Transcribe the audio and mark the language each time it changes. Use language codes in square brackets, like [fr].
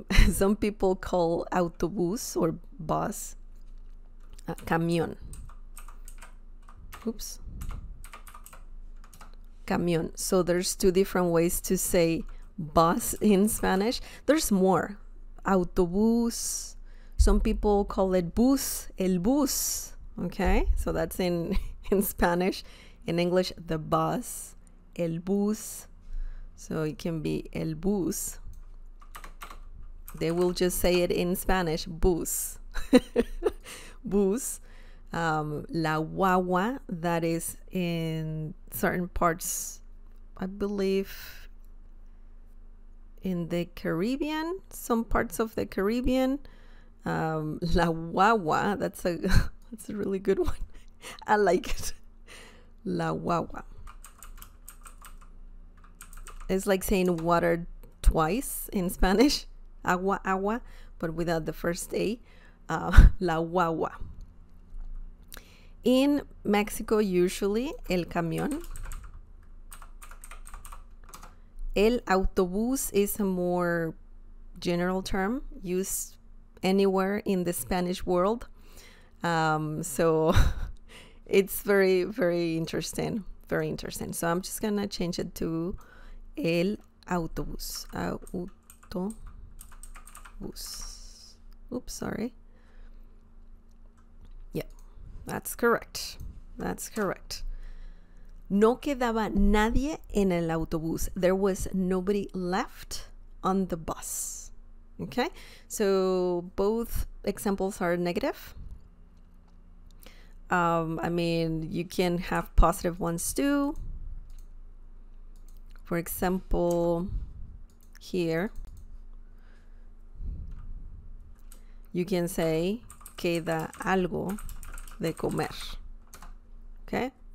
[en] Some people call autobús or bus camión. Oops. [es] Camión. [en] So there's two different ways to say bus in Spanish. There's more. Autobús. Some people call it bus, el bus. Okay, so that's in Spanish. In English, the bus. El bus, so it can be el bus. They will just say it in Spanish, bus. Bus. La guagua, that is in certain parts, I believe, in the Caribbean, some parts of the Caribbean. La guagua, that's a really good one. I like it. La guagua. It's like saying water twice in Spanish, agua, agua, but without the first A, la guagua. In Mexico, usually, el camión. El autobús is a more general term used anywhere in the Spanish world. So it's very, very interesting, very interesting. So I'm just going to change it to el autobús. Auto Oops, sorry. That's correct. That's correct. [es] No quedaba nadie en el autobús. [en] There was nobody left on the bus. Okay? So both examples are negative. I mean, you can have positive ones too. For example, here, you can say, [es] queda algo de comer. [en] Okay?